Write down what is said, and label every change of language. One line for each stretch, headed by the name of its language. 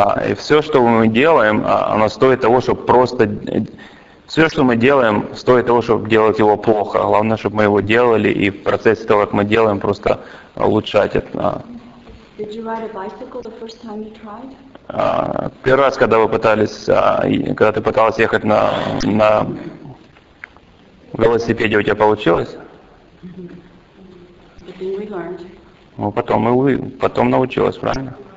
Russian: И все, что мы делаем, оно стоит того, чтобы просто... Все, что мы делаем, стоит того, чтобы делать его плохо. Главное, чтобы мы его делали, и в процессе того, как мы делаем, просто улучшать это.
English: Did you ride a bicycle the first time you tried?
Russian: Первый раз, когда вы пытались, когда ты пыталась ехать на велосипеде, у тебя получилось?
English: But then we learned.
Russian: Ну, потом научилась, правильно?